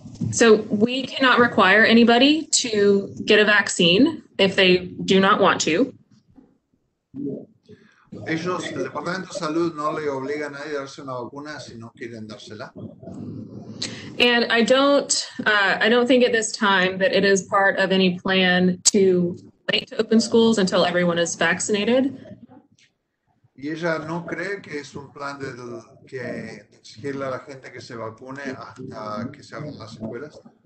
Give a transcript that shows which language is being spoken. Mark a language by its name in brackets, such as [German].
[English] So we cannot require anybody to get a vaccine if they do not want to. [Spanish] Ellos, el Departamento de Salud no le obliga a nadie a darse una vacuna si no quieren dársela. [English] And I don't think at this time that it is part of any plan to wait to open schools until everyone is vaccinated. [Spanish] Y ella no cree que es un plan de exigirle a la gente que se vacune hasta que se abran las escuelas.